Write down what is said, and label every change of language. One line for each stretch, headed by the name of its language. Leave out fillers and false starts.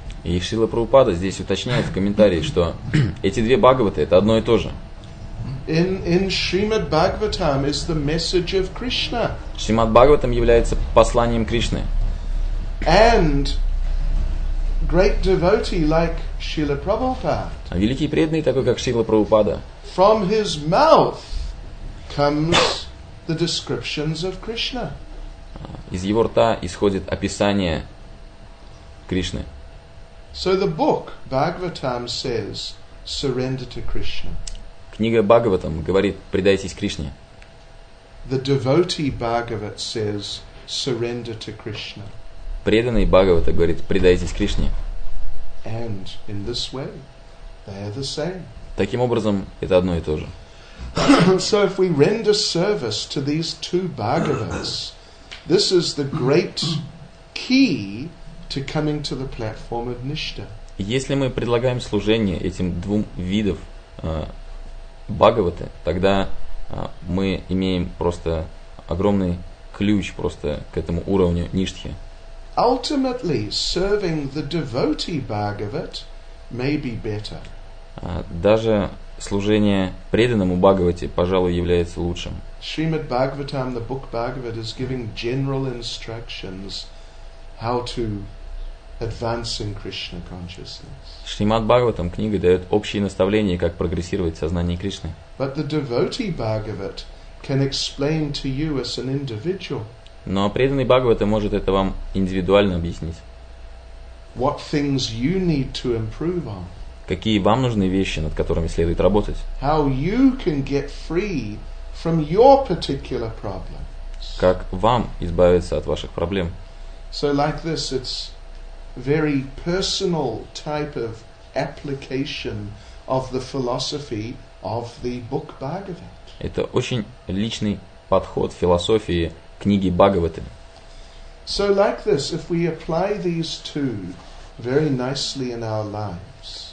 Russian: И Шрила Прабхупада здесь уточняет в комментарии, что эти две Бхагаваты это одно и то же.
English: In Srimad Bhagavatam is the message of Krishna.
Russian: Srimad Bhagavatam является посланием Кришны.
English: And great devotee like Srila Prabhupada.
Russian: Великий преданный такой как Шрила Прабхупада.
English: From his mouth comes the descriptions of Krishna.
Russian: Из его рта исходит описание Кришны.
English: So the book Bhagavatam says surrender to Krishna.
Russian: Книга Бхагаватам говорит, предайтесь Кришне.
English: The devotee Bhagavat says, surrender to Krishna.
Russian: Преданный Бхагавата говорит, предайтесь Кришне.
English: And in this way, they are the same.
Russian: Таким образом, это одно и то же.
English: So if we render service to these two Bhagavats, this is the great key to coming to the platform of Nishta.
Russian: Если мы предлагаем служение этим двум видам Бхагаваты, тогда мы имеем просто огромный ключ просто к этому уровню ништхи.
English: Ultimately, serving the devotee Bhagavat may be better.
Russian: Даже служение преданному Бхагавате, пожалуй, является лучшим.
English: Srimad Bhagavatam, the book Bhagavat, is giving general instructions how to advance in Krishna consciousness.
Russian: Шримад Бхагаватам книга дает общие наставления, как прогрессировать в сознании Кришны.
English: But the devotee Bhagavat can explain to you as an individual.
Russian: Но преданный Бхагавата может это вам индивидуально объяснить.
English: What things you need to improve on.
Russian: какие вам нужны вещи, над которыми следует работать.
English: How you can get free from your particular problems.
Russian: Как вам избавиться от ваших проблем.
English: So like this, it's very personal type of application of the philosophy of the book Bhagavad.
Russian: Это очень личный подход философии книги Бхагаваты.
English: So like this, if we apply these two very nicely in our lives.